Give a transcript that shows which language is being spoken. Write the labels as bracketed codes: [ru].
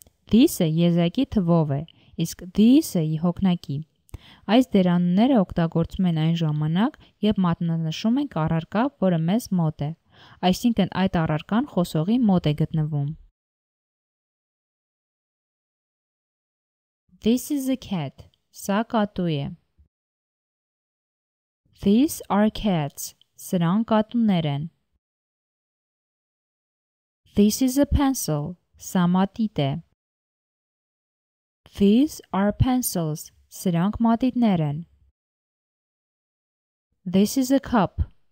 [hy] This-ը եզակի թվով է, իսկ these-ը հոգնակի։ Այս դերանունները օգտագործում են այն ժամանակ, երբ մատնանշում ենք առարկա, որը մեզ մոտ է, այսինքն այդ առարկան խոսողի մոտ է գտնվում։ [en] This is a cat. [hy] Սա կատու է։ [en] These are cats. [hy] Սրանք կատուններ են։ [en] This is a pencil. [hy] Սա մատիտ է։ [en] These are pencils. [hy] Սրանք մատիտներ են։ [en] This is a cup.